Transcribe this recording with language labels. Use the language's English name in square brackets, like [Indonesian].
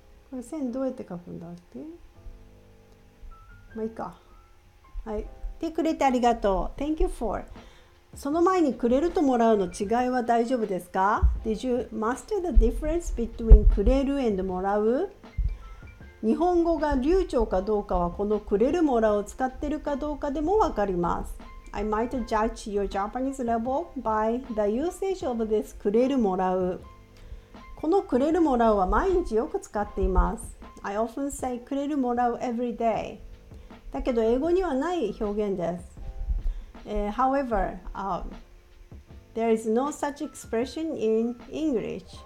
[Japanese] これ線どうやって書くんだっけ? まあいいか。はい。てくれてありがとう。 [English] Thank you for. [Japanese] その前にくれるともらうの違いは大丈夫ですか? [English] Did you master the difference between くれる and もらう? [Japanese] 日本語が流暢かどうかはこのくれるもらうを使ってるかどうかでもわかります。 [English] I might judge your Japanese level by the usage of this くれるもらう。 [Japanese] このくれるもらうは毎日よく使っています。 [English] I often say くれるもらう every day. [Japanese] だけど英語にはない表現です。 [English] However, there is no such expression in English.